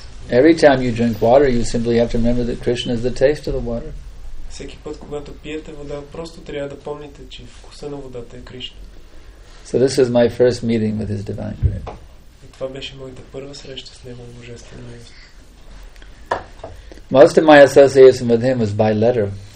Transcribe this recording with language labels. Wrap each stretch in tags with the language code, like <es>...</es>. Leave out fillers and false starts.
<en>Every time you drink water, you simply have to remember that Krishna is the taste of the water.</en> <bg>Всеки път, когато пиете вода, просто трябва да помните, че вкуса на водата е Кришна.</bg> <en>So this is my first meeting with His Divine Grace.</en> <bg>И това беше моята първа среща с Него, Божествено.</bg> <en>Most of my association with him was by letter.</en>